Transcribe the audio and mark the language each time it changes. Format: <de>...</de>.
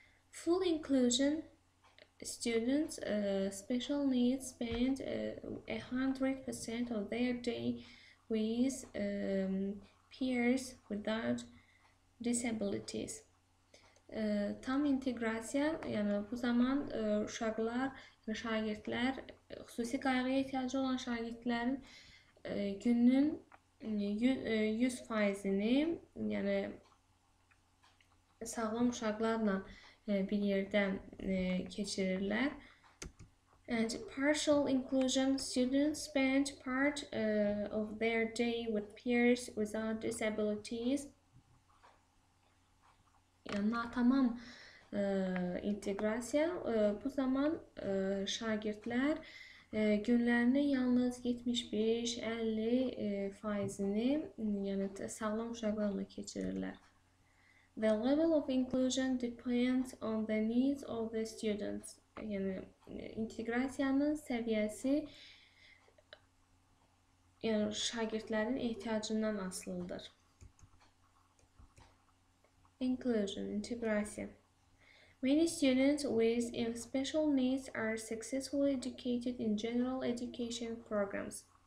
<en>Full inclusion students special needs spend 100% of their day with peers without disabilities.</en> <az>Tam inteqrasiya, yəni bu zaman uşaqlar şagirdlər, xüsusi qayğıya ehtiyacı olan şagirdlərin günün 100%-ni, yəni sağlam uşaqlarla bir yerdə keçirirlər.</az> <en>And partial inclusion students spend part of their day with peers without disabilities.</en> <az>Yəni, natamam inteqrasiya. Bu zaman şagirdlər günlərinin yalnız 75-50%-ni yəni sağlam uşaqlarla keçirirlər.</az> <en>The level of inclusion depends on the needs of the students.</en> <az>Yəni, inteqrasiyanın səviyyəsi yəni, şagirdlərin ehtiyacından asılıdır.</az> <en>Inclusion, integration. Many students with special needs are successfully educated in general education programs.</en>